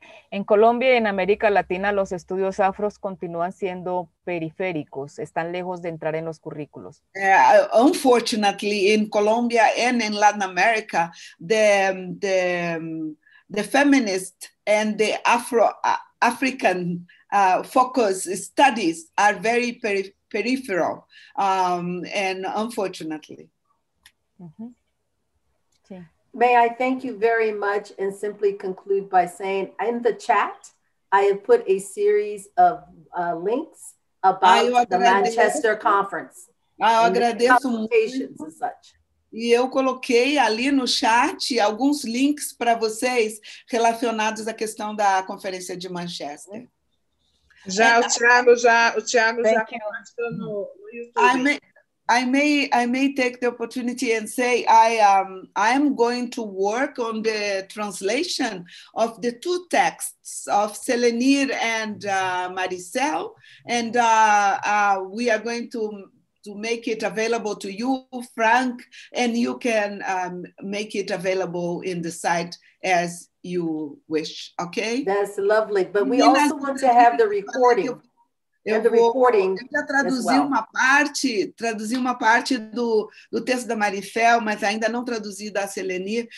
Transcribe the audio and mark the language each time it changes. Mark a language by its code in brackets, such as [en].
[es] En Colombia y en América Latina, los estudios afros continúan siendo periféricos, están lejos de entrar en los currículos. [en] Unfortunately, in Colombia and in Latin America, the feminist and the African focus studies are very peripheral, and unfortunately. Uh-huh. Sí. May I thank you very much and simply conclude by saying in the chat, I have put a series of links about the Manchester Conference. [pt] Eu agradeço muito. [en] And such. [pt] E eu coloquei ali no chat alguns links para vocês relacionados à questão da conferência de Manchester. Já o Thiago já mandou no YouTube. [en] I may take the opportunity and say I am going to work on the translation of the two texts of Selenir and Maricel, and we are going to make it available to you, Frank, and you can make it available in the site as you wish. Okay. That's lovely, but we also want to have the recording. [pt] Eu já traduzi uma parte do texto da Maricel, mas ainda não traduzi da Selenir.